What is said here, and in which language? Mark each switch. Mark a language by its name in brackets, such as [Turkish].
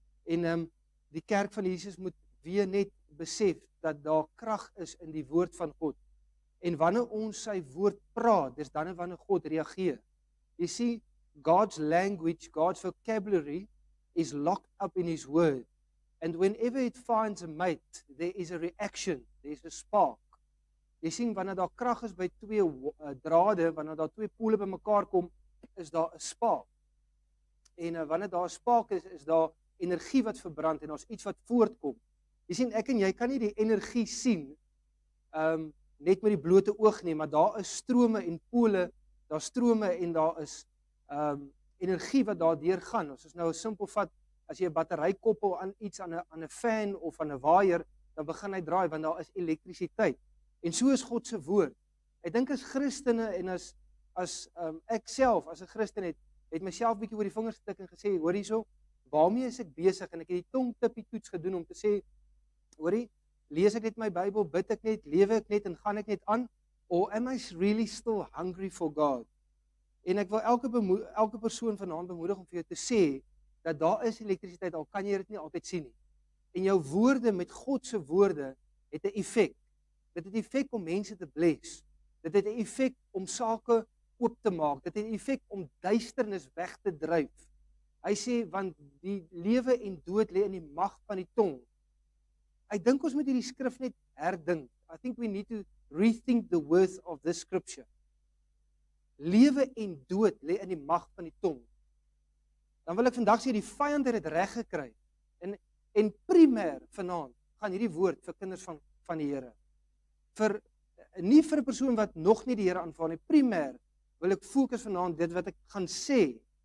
[Afrikaans] En die kerk van Jesus moet weer net besef dat daar krag is in die woord van God. En wanneer ons sy woord praat, dis dan wanneer God reageer. [English] You see, God's language, God's vocabulary is locked up in his word. And whenever it finds a mate, there is a reaction, there is a spark. [Afrikaans] Jy sien, wanneer daar krag is by twee drade, wanneer daar twee pole by mekaar kom, is daar 'n spark. En wanneer daar 'n spark is, is daar energie wat verbrand en daar's iets wat voortkom. Jy sien, ek en jy kan nie die energie sien net met die blote oog nie, maar daar is strome en pole, daar's strome en daar is energie wat daardeur gaan. Ons is nou 'n simpel vat. As jy 'n battery koppel aan iets, aan 'n fan of aan 'n waaier, dan begin hy draai, want daar is elektrisiteit. En so is God se woord. Ek dink as Christene en as ek self, as 'n Christen het myself bietjie oor die vingers getik en gesê, hoor hierso, waarmee is ek besig? En ek het die tongtippie toets gedoen om te sê, hoorie, lees ek net my Bybel, bid ek net, lewe ek net en gaan ek net aan? [English] Or am I really still hungry for God? [Afrikaans] En ek wil elke persoon vanaand bemoedig om vir jou te sê, dat daar is elektrisiteit, al kan jy dit nie altyd sien nie. En jou woorde met God se woorde het 'n effek. Dit het 'n effek om mense te bless. Dit het 'n effek om sake oop te maak. Dit het 'n effek om duisternis weg te dryf. Hy sê, want die lewe en dood lê in die mag van die tong. Ek dink ons moet hierdie skrif net herdink. [English] I think we need to rethink the worth of this scripture. [Afrikaans] Lewe en dood lê in die mag van die tong. Dan wil ek vandag sê die vyand het dit reg gekry. En primêr vanaand gaan hierdie woord vir kinders van die Here. Vir nie vir 'n persoon wat nog nie die Here aanvaar nie, primêr wil ek fokus vanaand dit wat ek gaan sê